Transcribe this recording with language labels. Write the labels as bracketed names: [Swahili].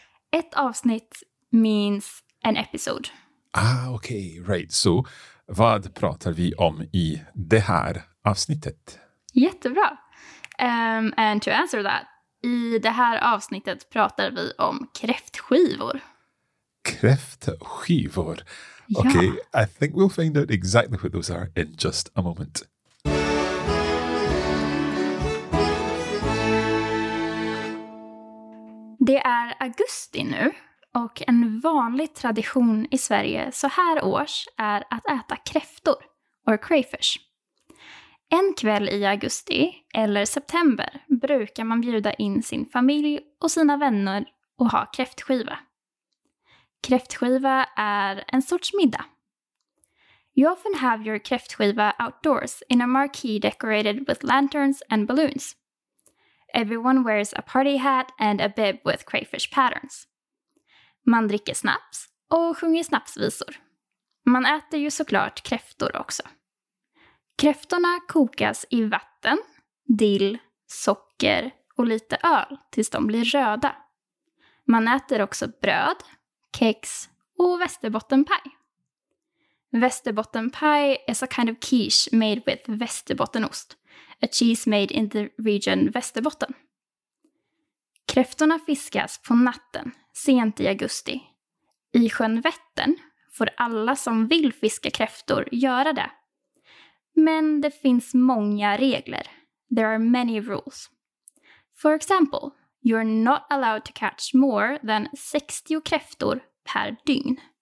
[Swedish] Ett avsnitt [English] means an episode. Ah, okay, right. [Swedish] So, vad pratar vi om I det här avsnittet? Jättebra. [English] And to answer that, [Swedish] I det här avsnittet pratar vi om kräftskivor. Kräftskivor. Ja. [English] Okay, I think we'll find out exactly what those are in just a moment. [Swedish] Det är augusti nu. Och en vanlig tradition I Sverige så här års är att äta kräftor, [English] or crayfish. [Swedish] En kväll I augusti eller september brukar man bjuda in sin familj och sina vänner och ha kräftskiva. Kräftskiva är en sorts middag. [English] You often have your kräftskiva outdoors in a marquee decorated with lanterns and balloons. Everyone wears a party hat and a bib with crayfish patterns. [Swedish] Man dricker snaps och sjunger snapsvisor. Man äter ju såklart kräftor också. Kräftorna kokas I vatten, dill, socker och lite öl tills de blir röda. Man äter också bröd, kex och västerbottenpaj. [English] Västerbottenpaj is a kind of quiche made with västerbottenost, a cheese made in the region Västerbotten. [Swedish] Kräftorna fiskas på natten, sent I augusti. I sjön Vättern får alla som vill fiska kräftor göra det. Men det finns många regler. [English] There are many rules. For example, you're not allowed to catch more than 60 kräftor per dygn.